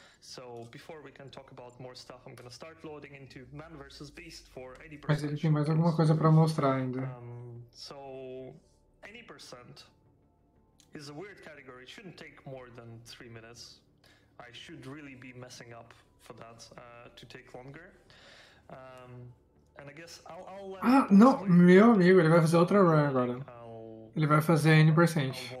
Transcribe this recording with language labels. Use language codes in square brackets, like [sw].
[en] So before we can talk about more stuff, I'm gonna start loading into Man vs Beast for 80%. [pt] Mas ele tem mais alguma coisa para mostrar ainda? [en] So 80% is a weird category. It shouldn't take more than 3 minutes. I should really be messing up for that to take longer. [pt] Ah, não, meu amigo, ele vai fazer outra run agora. Ele vai fazer N%.